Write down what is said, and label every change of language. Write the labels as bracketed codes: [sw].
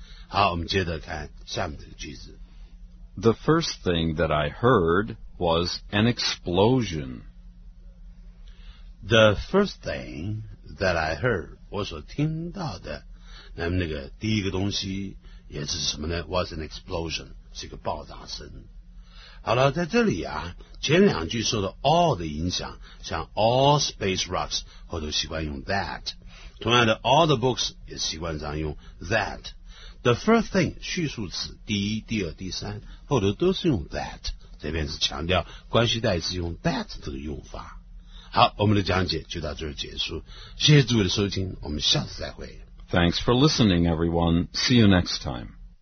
[zh] 好，我们接着看下面这个句子。 [en] The first thing that I heard was an explosion. The first thing that I heard， [zh] 我所听到的，那么那个第一个东西也是什么呢 ？ [en] Was an explosion。 [zh] 是个爆炸声。好了，在这里啊，前两句受到 all 的影响，像 all space rocks 后头习惯用 that， 同样的 all the books 也习惯上用 that。 [en] The first thing [zh] 叙述词，第一、第二、第三后头都是用 that， 这边是强调关系代词用 that 这个用法。好，我们的讲解就到这儿结束，谢谢诸位的收听，我们下次再会。 [en] Thanks for listening everyone. See you next time.